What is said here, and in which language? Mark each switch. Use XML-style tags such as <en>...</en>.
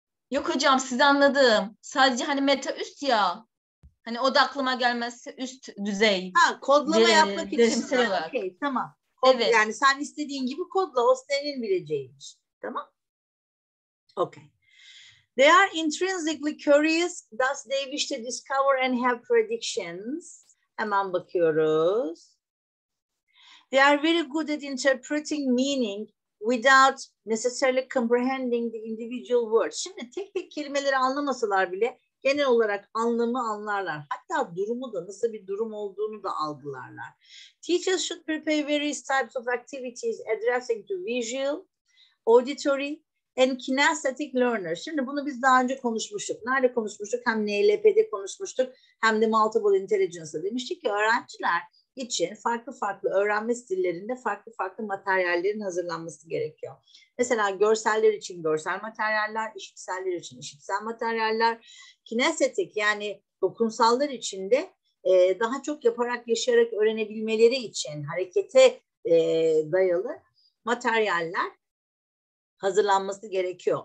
<tr>Yok hocam sizi anladım. Sadece hani meta üst ya. Hani o da aklıma gelmezse üst düzey. Ha kodlama yapmak için. Okey tamam. Evet. Yani sen istediğin gibi kodla o senin bileceğin iş. Tamam.</tr> <en>Okey. They are intrinsically curious. Thus they wish to discover and have predictions.</en> <tr>Hemen bakıyoruz.</tr> <en>They are very good at interpreting meaning without necessarily comprehending the individual words.</en> <tr>Şimdi tek tek kelimeleri anlamasalar bile genel olarak anlamı anlarlar. Hatta durumu da nasıl bir durum olduğunu da algılarlar.</tr> <en>Teachers should prepare various types of activities addressing to visual, auditory and kinesthetic learners.</en> <tr>Şimdi bunu biz daha önce konuşmuştuk. Nerede konuşmuştuk? Hem NLP'de konuşmuştuk hem de multiple intelligence'da demiştik ki öğrenciler için farklı farklı öğrenme stillerinde farklı farklı materyallerin hazırlanması gerekiyor. Mesela görseller için görsel materyaller, işitseller için işitsel materyaller, kinestetik yani dokunsallar için de daha çok yaparak yaşayarak öğrenebilmeleri için harekete dayalı materyaller hazırlanması gerekiyor.</tr>